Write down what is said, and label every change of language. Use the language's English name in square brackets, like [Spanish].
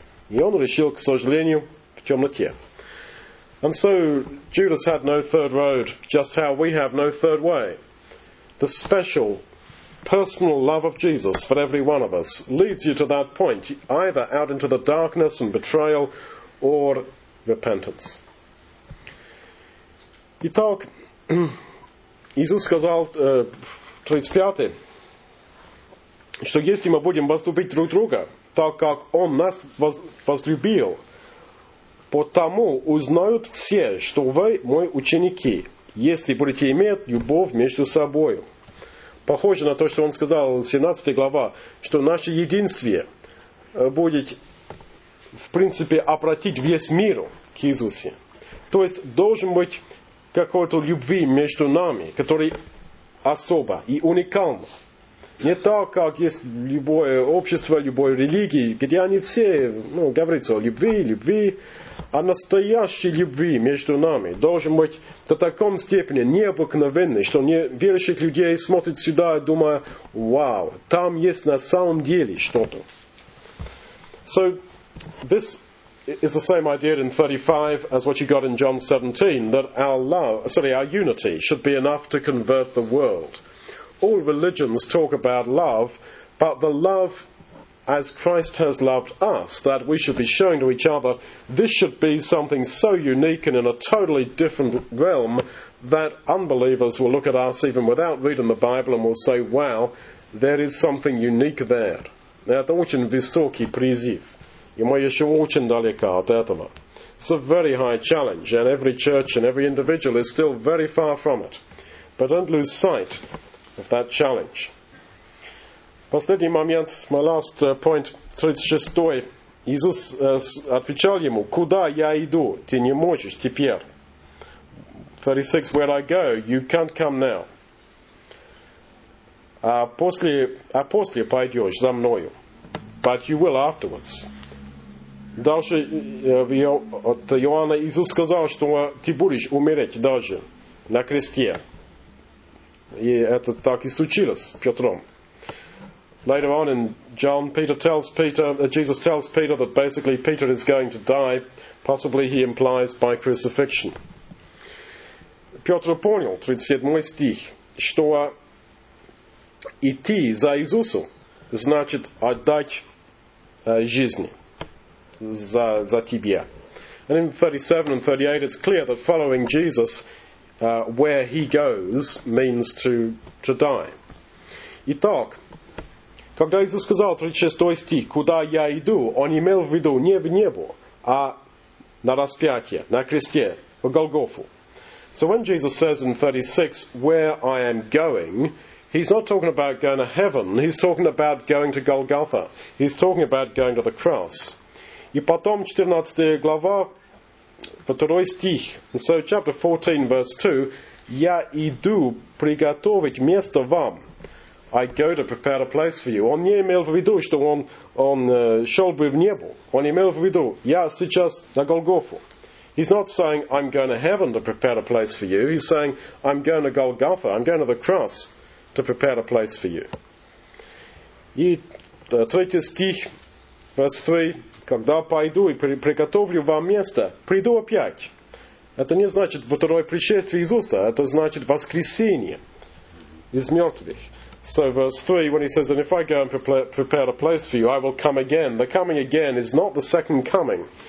[Russian] И он решил, к сожалению, в темноте. [English] And so Judas had no third road, just how we have no third way. The special personal love of Jesus for every one of us leads you to that point, either out into the darkness and betrayal or repentance. [Russian] Итак, Иисус сказал 35, что если мы будем возлюбить друг друга, так как Он нас возлюбил, потому узнают все, что вы мои ученики, если будете иметь любовь между собой. Похоже на то, что он сказал, 17 глава, что наше единство будет, в принципе, обратить весь мир к Иисусу. То есть, должен быть какой-то любви между нами, который особо и уникально. Не так, как есть любое общество, любой религии, где они все, ну, говорится о любви, любви, а настоящей любви между нами должен быть до такой степени необыкновенной, что верующих людей смотрят сюда и думают, вау, там есть на самом деле что-то. [English] So, this is the same idea in 35 as what you got in John 17, that our unity should be enough to convert the world. All religions talk about love, but the love as Christ has loved us, that we should be showing to each other, this should be something so unique and in a totally different realm that unbelievers will look at us even without reading the Bible and will say, wow, there is something unique there. [Russian] Это очень высокий призыв. И мы еще очень далеко от этого. [English] It's a very high challenge, and every church and every individual is still very far from it. But don't lose sight of that challenge. [Russian] Последний момент, [English] my last point, 36. [Russian] Иисус отвечал ему, куда я иду, ты не можешь теперь. [English] 36, where I go, you can't come now. [Russian] А после пойдешь за мною, [English] but you will afterwards. [Russian] Дальше от Иоанна Иисус сказал, что ты будешь умереть даже на кресте. И это так и случилось с Петром. [English] Later on in John, Jesus tells Peter that basically Peter is going to die, possibly he implies by crucifixion. [Russian] Петр понял, 37 стих, что идти за Иисусом значит отдать жизнь за тебя. [English] And in 37 and 38 it's clear that following Jesus where he goes means to die. [Russian] Итак, когда Иисус сказал 36 стих, куда я иду, он имел в виду не в небо, а на распятие, на кресте, в Голгофу. [English] So when Jesus says in 36, where I am going, he's not talking about going to heaven, he's talking about going to Golgotha. He's talking about going to the cross. [Russian] И потом 14 глава, 2 стих. [English] And so chapter 14, verse 2, [Russian] я иду приготовить место вам. [English] I go to prepare a place for you. [Russian] Он не имел в виду, что он шел бы в небо. Он имел в виду, я сейчас на Голгофу. [English] He's not saying, I'm going to heaven to prepare a place for you. He's saying, I'm going to Golgotha, I'm going to the cross to prepare a place for you. [Russian] И третий стих, [English] verse 3, [Russian] когда пойду и приготовлю вам место, приду опять. Это не значит второе пришествие Иисуса, это значит воскресение из мертвых. [English] So verse 3, when he says, and if I go and prepare a place for you, I will come again. The coming again is not the second coming.